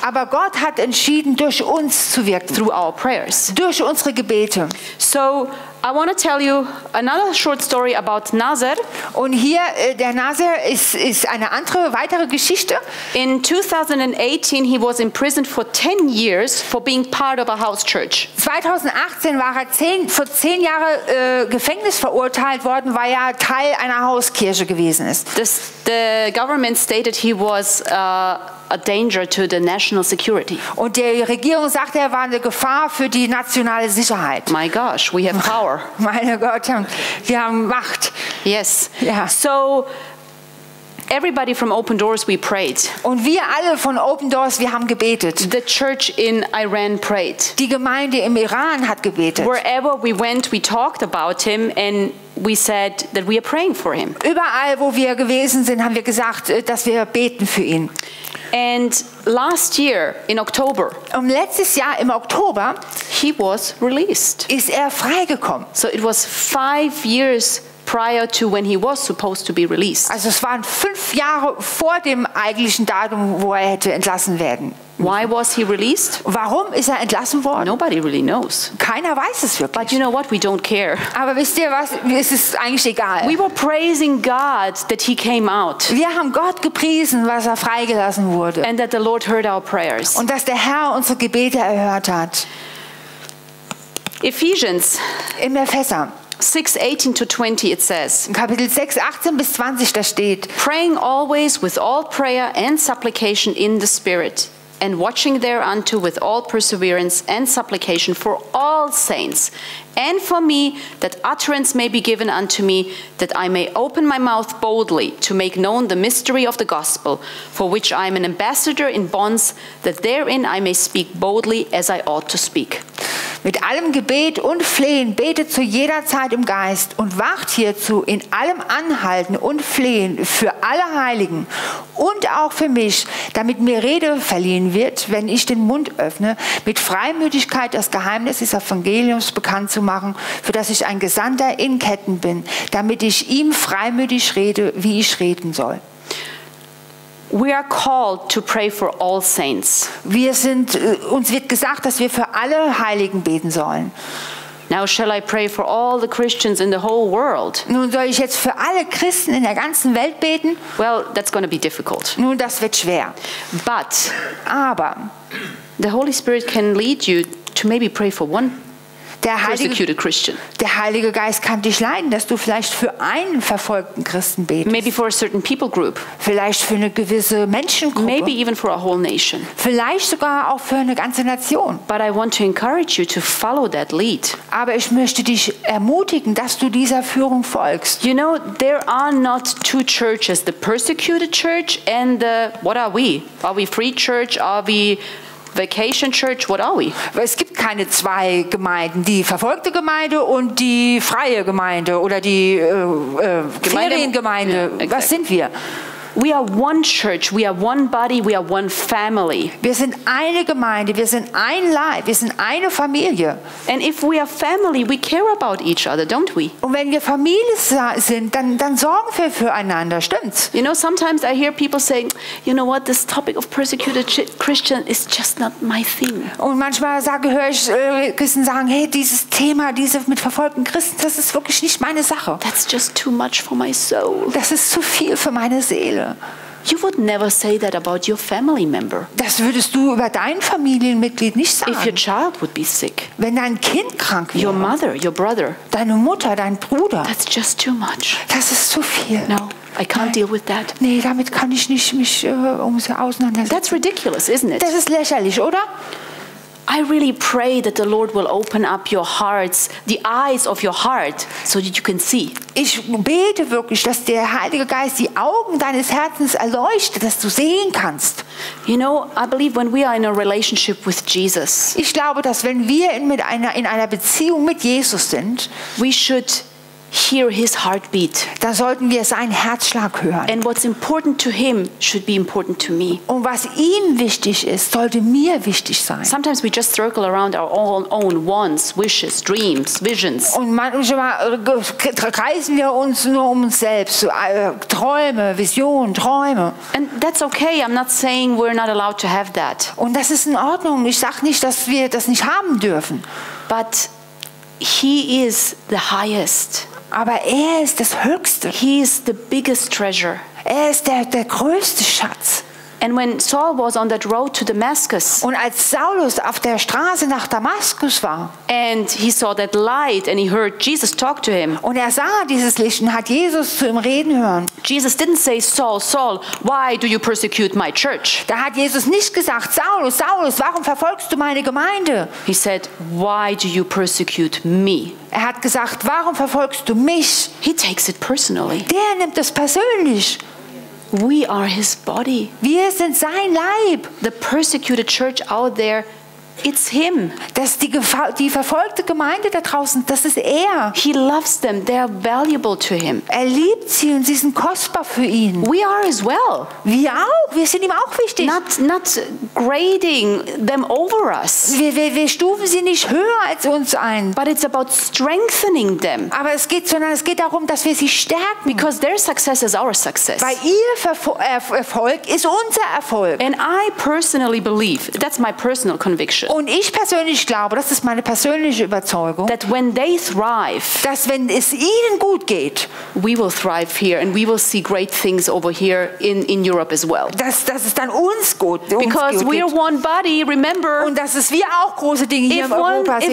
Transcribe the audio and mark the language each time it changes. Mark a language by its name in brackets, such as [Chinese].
[German] Aber Gott hat entschieden, durch uns zu wirken. [English] Through our prayers. [German] Durch unsere Gebete. [English] So, I want to tell you another short story about Nazar. [German] Und hier der Nazar ist eine andere weitere Geschichte. [English] In 2018 he was imprisoned for 10 years for being part of a house church. [German] 2018 war er für 10 Jahre Gefängnis verurteilt worden, weil er Teil einer Hauskirche gewesen ist. [English] The government stated he was a danger to the national security. [German] Und die Regierung sagte, er war eine Gefahr für die nationale Sicherheit. [English] My gosh, we have power. [German] Meine Gott, wir haben Macht. [English] Yes. Yeah. So everybody from Open Doors, we prayed. [German] Und wir alle von Open Doors, wir haben gebetet. [English] The church in Iran prayed. [German] Die Gemeinde im Iran hat gebetet. [English] Wherever we went, we talked about him and we said that we are praying for him. [German] Überall, wo wir gewesen sind, haben wir gesagt, dass wir beten für ihn. [English] And last year in October, [German] letztes Jahr im Oktober, [English] he was released. [German] Ist er freigekommen. [English] So it was 5 years prior to when he was supposed to be released. [German] Also es waren 5 Jahre vor dem eigentlichen Datum, wo er hätte entlassen werden. [English] Why was he released? [German] Warum ist er entlassen worden? [English] Nobody really knows. [German] Keiner weiß es wirklich. [English] But you know what? We don't care. [German] Aber wisst ihr was? Es ist eigentlich egal. [English] We were praising God that he came out. [German] Wir haben Gott gepriesen, was er freigelassen wurde. [English] And that the Lord heard our prayers. [German] Und dass der Herr unsere Gebete erhört hat. [English] Ephesians. [German] In Epheser. [English] 6:18-20 it says. [German] In Kapitel 6, 18 bis 20 da steht. [English] Praying always with all prayer and supplication in the Spirit. And watching thereunto with all perseverance and supplication for all saints, and for me, that utterance may be given unto me, that I may open my mouth boldly to make known the mystery of the gospel, for which I am an ambassador in bonds, that therein I may speak boldly as I ought to speak. [German] Mit allem Gebet und Flehen betet zu jeder Zeit im Geist und wacht hierzu in allem Anhalten und Flehen für alle Heiligen und auch für mich, damit mir Rede verliehen wird, wenn ich den Mund öffne, mit Freimütigkeit das Geheimnis des Evangeliums bekannt zu machen, für das ich ein Gesandter in Ketten bin, damit ich ihm freimütig rede, wie ich reden soll. [English] We are called to pray for all saints. [German] Wir sind, uns wird gesagt, dass wir für alle Heiligen beten sollen. [English] Now shall I pray for all the Christians in the whole world? [German] Nun soll ich jetzt für alle Christen in der ganzen Welt beten? [English] Well, that's going to be difficult. [German] Nun, das wird schwer. [English] But, [German] aber, [English] the Holy Spirit can lead you to maybe pray for one. [German] Der Heilige Geist kann dich leiten, dass du vielleicht für einen verfolgten Christen betest. [English] Maybe for a certain people group. [German] Vielleicht für eine gewisse Menschengruppe. [English] Maybe even for a whole nation. [German] Vielleicht sogar auch für eine ganze Nation. [English] But I want to encourage you to follow that lead. [German] Aber ich möchte dich ermutigen, dass du dieser Führung folgst. [English] You know, there are not two churches, the persecuted church and the, what are we? Are we free church? Are we vacation church, what are we? [German] Es gibt keine zwei Gemeinden, die verfolgte Gemeinde und die freie Gemeinde oder die Feriengemeinde. [English] Yeah, exactly. [German] Was sind wir? [English] We are one church, we are one body, we are one family. [German] Wir sind eine Gemeinde, wir sind ein Leib, wir sind eine Familie. [English] And if we are family, we care about each other, don't we? [German] Und wenn wir Familie sind, dann sorgen wir füreinander, stimmt's? [English] You know, sometimes I hear people saying, you know what, this topic of persecuted Christian is just not my thing. [German] Und manchmal höre ich Christen sagen, hey, dieses Thema, diese mit verfolgten Christen, das ist wirklich nicht meine Sache. [English] That's just too much for my soul. [German] Das ist zu viel für meine Seele. [English] You would never say that about your family member. [German] Das würdest du über dein Familienmitglied nicht sagen. [English] If your child would be sick. [German] Wenn dein Kind krank wäre. [English] Your mother, your brother. [German] Deine Mutter, dein Bruder. [English] That's just too much. [German] Das ist zu viel. [English] No, I can't deal with that. [German] Nee, damit kann ich nicht mich so auseinandersetzen. [English] That's ridiculous, isn't it? [German] Das ist lächerlich, oder? [English] I really pray that the Lord will open up your hearts, the eyes of your heart, so that you can see. [German] Ich bete wirklich, dass der Heilige Geist die Augen deines Herzens erleuchtet, dass du sehen kannst. [English] You know, I believe when we are in a relationship with Jesus. [German] Ich glaube, dass wenn wir in einer Beziehung mit Jesus sind, [English] we should hear his heartbeat. [German] Da sollten wir seinen Herzschlag hören. [English] And what's important to him should be important to me. [German] Und was ihm wichtig ist, sollte mir wichtig sein. [English] Sometimes we just circle around our own wants, wishes, dreams, visions. [German] Und manchmal kreisen wir uns nur uns selbst, Träume, Visionen, Träume. [English] And that's okay. I'm not saying we're not allowed to have that. [German] Und das ist in Ordnung. Ich sag nicht, dass wir das nicht haben dürfen. [English] But he is the highest. [German] Aber er ist das Höchste. [English] He is the biggest treasure. [German] Er ist der größte Schatz. [English] And when Saul was on that road to Damascus, [German] und als Saulus auf der Straße nach Damaskus war, [English] and he saw that light and he heard Jesus talk to him, [German] und er sah dieses Licht und hat Jesus zu ihm reden hören. [English] Jesus didn't say, Saul, Saul, why do you persecute my church? [German] Da hat Jesus nicht gesagt, Saulus, Saulus, warum verfolgst du meine Gemeinde? [English] He said, why do you persecute me? [German] Er hat gesagt, warum verfolgst du mich? [English] He takes it personally. [German] Der nimmt es persönlich. [English] We are his body. [German] Wir sind sein Leib. [English] The persecuted church out there It's him. [German] Das die die verfolgte Gemeinde da draußen, das ist er. [English] He loves them. They are valuable to him. [German] Er liebt sie und sie sind kostbar für ihn. [English] We are as well. [German] Wir auch. Wir sind ihm auch wichtig. [English] Not grading them over us. [German] Wir stufen sie nicht höher als uns ein. [English] But it's about strengthening them. [German] Aber es geht darum, dass wir sie stärken. [English] Because their success is our success. [German] Weil ihr Erfolg ist unser Erfolg. [English] And I personally believe, that's my personal conviction. [German] Und ich persönlich glaube, das ist meine persönliche Überzeugung, [English] that when they thrive, [German] dass wenn es ihnen gut geht, [English] we will thrive here and we will see great things over here in Europe as well. [German] Das ist dann uns gut. [English] Because we are one body, remember. [German] Und das ist wir auch große Dinge hier in Europa sehen.